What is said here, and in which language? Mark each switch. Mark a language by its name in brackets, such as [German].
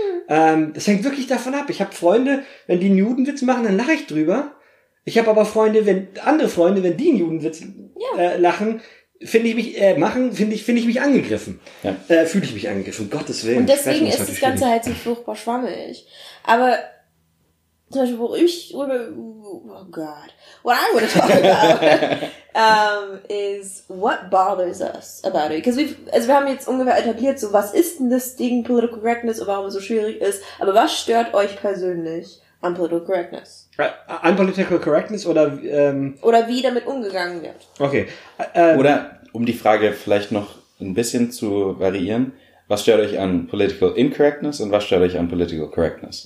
[German] Das hängt wirklich davon ab. Ich habe Freunde, wenn die einen Judenwitz machen, dann lache ich drüber. Ich habe aber andere Freunde, wenn die einen Judenwitz lachen, finde ich mich angegriffen. Ja. Fühle ich mich angegriffen, Gottes Willen. Und deswegen ist das Ganze halt so furchtbar schwammig. Aber zum Beispiel, [English] what I want to talk about is what bothers us about it. Because [German] wir haben jetzt ungefähr etabliert, so was ist denn das Ding political correctness und warum es so schwierig ist. Aber was stört euch persönlich an political correctness? An political correctness oder... Oder wie damit umgegangen wird. Okay. Oder um die Frage vielleicht noch ein bisschen zu variieren, was stört euch an political incorrectness und was stört euch an political correctness?